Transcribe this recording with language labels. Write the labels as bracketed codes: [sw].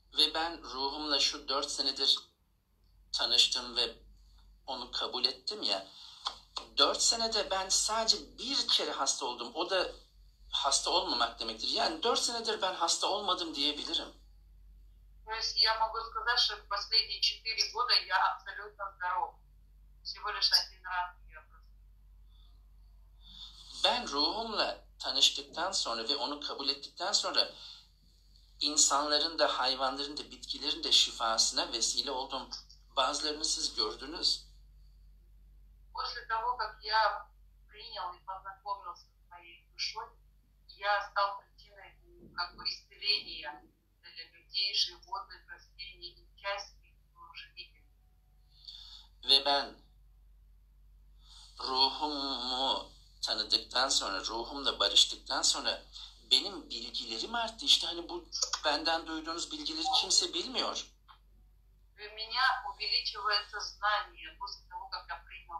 [tr] Ve ben ruhumla şu 4 senedir tanıştım ve onu kabul ettim ya. 4 senede ben sadece bir kere hasta oldum. O da hasta olmamak demektir. Yani 4 senedir ben hasta olmadım diyebilirim. [ru] Я могу сказать, что последние 4 года я абсолютно здоров. Всего лишь один раз. [tr] Ben ruhumla tanıştıktan sonra ve onu kabul ettikten sonra insanların da hayvanların da bitkilerin de şifasına vesile oldum. Bazılarını siz gördünüz. [ru] После того, как я принял и познакомился с моей душой, я стал причиной как бы исцеления для людей, животных, растений и части моего жизни. [tr] Ve ben ruhumu tanıdıktan sonra, ruhumla barıştıktan sonra benim bilgilerim arttı. İşte hani bu benden duyduğunuz bilgileri kimse bilmiyor. [ru] Ve меня увеличивается знание после того, как я принял.